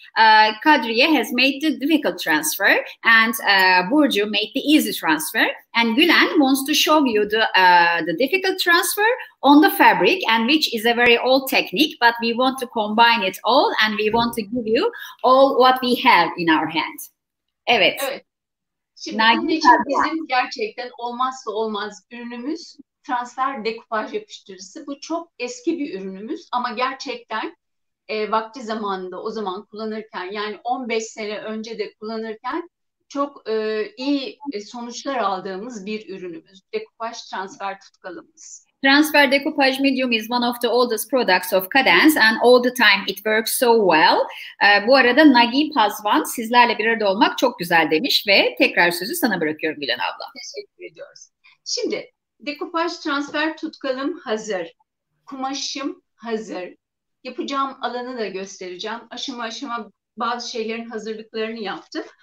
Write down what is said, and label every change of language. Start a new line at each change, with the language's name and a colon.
English: Kadriye has made the difficult transfer and Burcu made the easy transfer. And Gülen wants to show you the difficult transfer on the fabric, and which is a very old technique, but we want to combine it all and we want to give you all what we have in our hand.
Turkish: Evet. Şimdi bunun için bizim gerçekten olmazsa olmaz ürünümüz transfer dekupaj yapıştırıcısı. Bu çok eski bir ürünümüz ama gerçekten vakti zamanında o zaman kullanırken, yani 15 sene önce de kullanırken çok iyi sonuçlar aldığımız bir ürünümüz. Dekupaj transfer tutkalımız.
English: Transfer decoupage medium is one of the oldest products of Cadence and all the time it works so well.
Turkish: Bu arada Nagi Pazvan sizlerle bir arada olmak çok güzel demiş ve tekrar sözü sana bırakıyorum Gülen abla. Teşekkür ediyoruz. Şimdi decoupage transfer tutkalım hazır. Kumaşım hazır. Yapacağım alanı da göstereceğim. Aşama aşama bazı şeylerin hazırlıklarını yaptım.